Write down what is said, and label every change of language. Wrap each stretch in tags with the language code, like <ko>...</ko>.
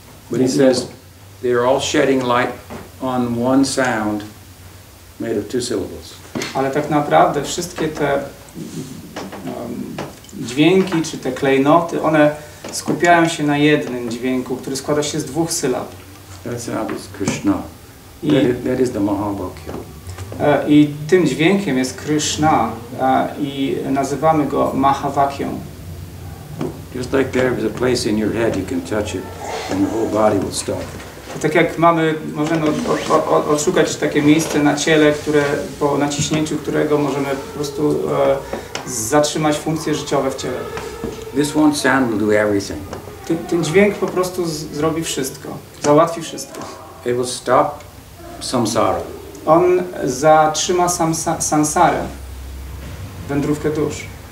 <en>But he says, they are all shedding light on one sound made of two syllables.</en> <pl>Ale tak naprawdę wszystkie te dźwięki, czy te klejnoty, one skupiają się na jednym dźwięku, który składa się z dwóch sylab.</pl> <en>That sound is Krishna. That is the Mahabhakya.</en> <pl>I tym dźwiękiem jest Krishna i nazywamy go Mahavakya.</pl> <en>Just like there is a place in your head, you can touch it, and your whole body will stop.</en> <pl>Tak jak mamy, możemy odszukać takie miejsce na ciele, które po naciśnięciu którego możemy po prostu zatrzymać funkcje życiowe w ciele.</pl> <en>This one sound will do everything.</en> <pl>Ten dźwięk po prostu zrobi wszystko, załatwi wszystko.</pl> <en>It will stop samsara.</en> <pl>On zatrzyma samsarę, wędrówkę dusz.</pl>